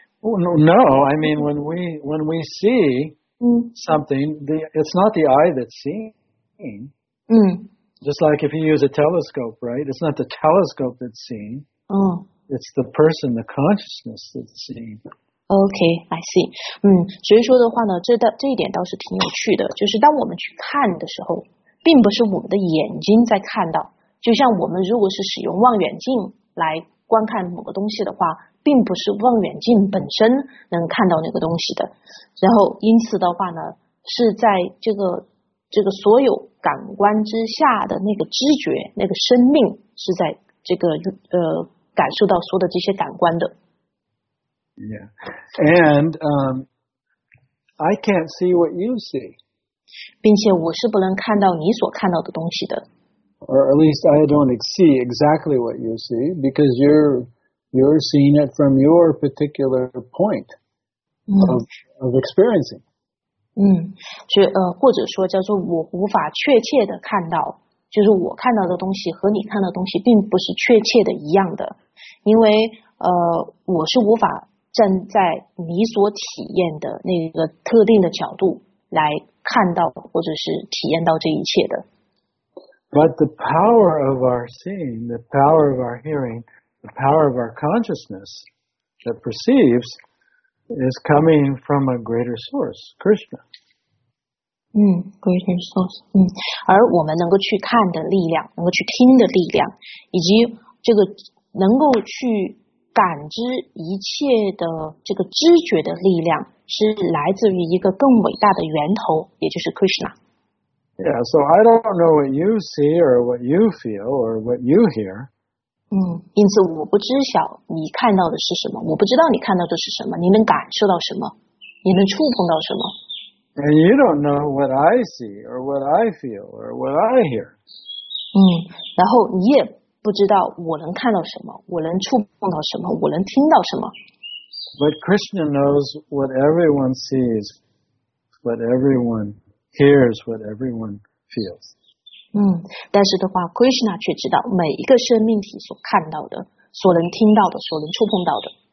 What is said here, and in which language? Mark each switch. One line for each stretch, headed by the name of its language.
English: No, I mean, when we see,something, it's not the eye that's seeing. Just like if you use a telescope, right? It's not the telescope that's seeing. It's the person, the consciousness that's seeing. Okay, I see.
Chinese: 所以说的话呢，这一点倒是挺有趣的，就是当我们去看的时候，并不是我们的眼睛在看到，就像我们如果是使用望远镜来观看某个东西的话，并不是望远镜本身能看到那个东西的，然后因此的话呢，是在这个所有感官之下的那个知觉，那个生命是在这个感受到所有的这些感官的。
English: Yeah, and I can't see what you see.
Chinese: 并且我是不能看到你所看到的东西的。
English: Or at least I don't see exactly what you see because you're seeing it from your particular point of experiencing.
Chinese: 或者说叫做我无法确切的看到，就是我看到的东西和你看到的东西并不是确切的一样的，因为我是无法站在你所体验的那个特定的角度来看到或者是体验到这一切的。
English: But the power of our seeing, the power of our hearing, the power of our consciousness that perceives is coming from a greater source, Krishna. Greater source.
Chinese: 而我们能够去看的力量，能够去听的力量，以及这个能够去感知一切的这个知觉的力量，是来自于一个更伟大的源头，也就是 Krishna.
English: Yeah. Yeah, so I don't know what you see or what you feel or what you hear.
Chinese: 因此我不知晓你看到的是什么，我不知道你看到的是什么，你能感受到什么，你能触碰到什么。
English: And you don't know what I see or what I feel or what I hear.
Chinese: 然后你也不知道我能看到什么，我能触碰到什么，我能听到什么。
English: But Krishna knows what everyone sees, what everyone hears, what everyone feels.
Chinese: 但是的话 ，Krishna 却知道每一个生命体所看到的、所能听到的、所能触碰到的。